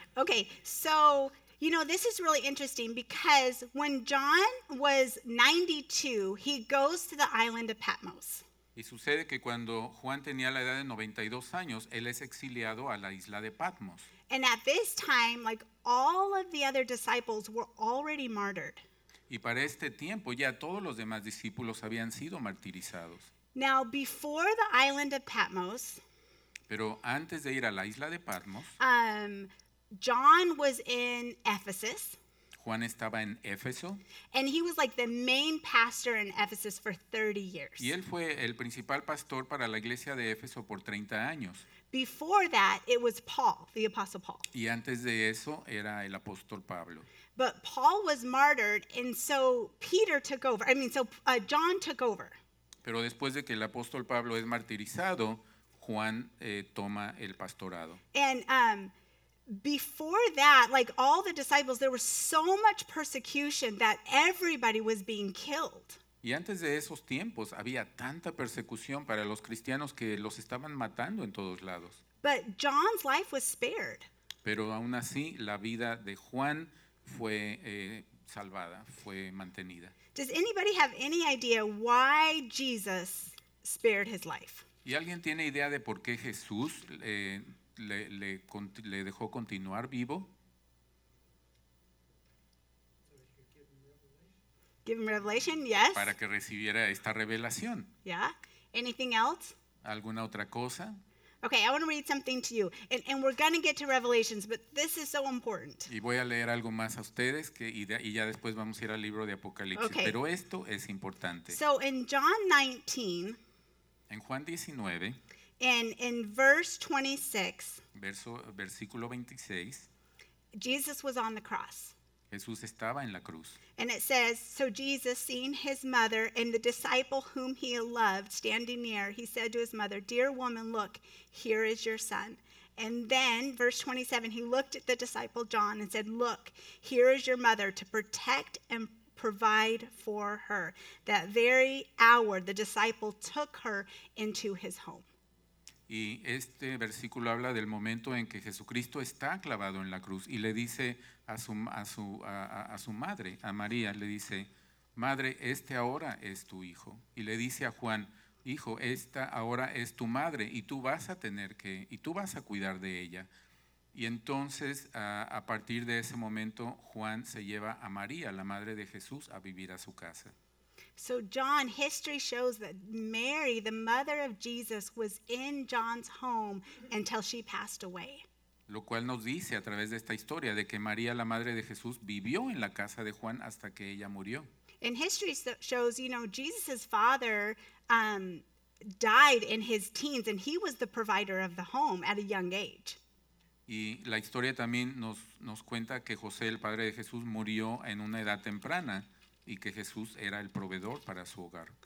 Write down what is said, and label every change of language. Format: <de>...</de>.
<en>Okay, so, you know, this is really interesting because when John was 92, he goes to the island of Patmos.</en> <es>Y sucede que cuando Juan tenía la edad de 92 años, él es exiliado a la isla de Patmos.</es> <en>And at this time, like all of the other disciples were already martyred.</en> <es>Y para este tiempo ya todos los demás discípulos habían sido martirizados.</es> <en>Now, before the island of Patmos,</en> <es>pero antes de ir a la isla de Patmos,</es> <en>John was in Ephesus.</en> <es>Juan estaba en Éfeso.</es> <en>And he was like the main pastor in Ephesus for 30 years.</en> <es>Y él fue el principal pastor para la iglesia de Éfeso por 30 años.</es> <en>Before that, it was Paul, the Apostle Paul.</en> <es>Y antes de eso era el apóstol Pablo.</es> <en>But Paul was martyred, and so Peter took over. John took over.</en> <es>Pero después de que el apóstol Pablo es martirizado, Juan toma el pastorado.</es> <en>And before that, like all the disciples, there was so much persecution that everybody was being killed.</en> <es>Y antes de esos tiempos había tanta persecución para los cristianos que los estaban matando en todos lados.</es> <en>But John's life was spared.</en> <es>Pero aún así la vida de Juan fue salvada, fue mantenida.</es> <en>Does anybody have any idea why Jesus spared his life?</en> <es>¿Y alguien tiene idea de por qué Jesús le dejó continuar vivo?</es> <en>Give him revelation, yes.</en> <es>Para que recibiera esta revelación.</es> <en>Yeah. Anything else?</en> <es>¿Alguna otra cosa?</es> <en>Okay, I want to read something to you. And we're going to get to Revelations, but this is so important.</en> <es>Y voy a leer algo más a ustedes, y ya después vamos a ir al libro de Apocalipsis.</es> <en>Okay.</en> <es>Pero esto es importante.</es> <en>So in John 19,</en> <es>en Juan 19,</es> <en>in verse 26,</en> <es>versículo 26,</es> <en>Jesus was on the cross.</en> <es>Jesús estaba en la cruz.</es> <en>And it says, so Jesus, seeing his mother and the disciple whom he loved standing near, he said to his mother, dear woman, look, here is your son. And then, verse 27, he looked at the disciple John and said, look, here is your mother, to protect and provide for her. That very hour, the disciple took her into his home.</en> <es>Y este versículo habla del momento en que Jesucristo está clavado en la cruz y le dice a su madre, a María, le dice, madre, este ahora es tu hijo. Y le dice a Juan, hijo, esta ahora es tu madre y tú vas a tener que, y tú vas a cuidar de ella. Y entonces, a partir de ese momento, Juan se lleva a María, la madre de Jesús, a vivir a su casa.</es> <en>So John, history shows that Mary, the mother of Jesus, was in John's home until she passed away.</en> <es>Lo cual nos dice a través de esta historia de que María, la madre de Jesús, vivió en la casa de Juan hasta que ella murió.</es> <en>And history shows, you know, Jesus' father died in his teens, and he was the provider of the home at a young age.</en> <es>Y la historia también nos cuenta que José, el padre de Jesús, murió en una edad temprana, y que Jesús era el proveedor para su hogar.</es>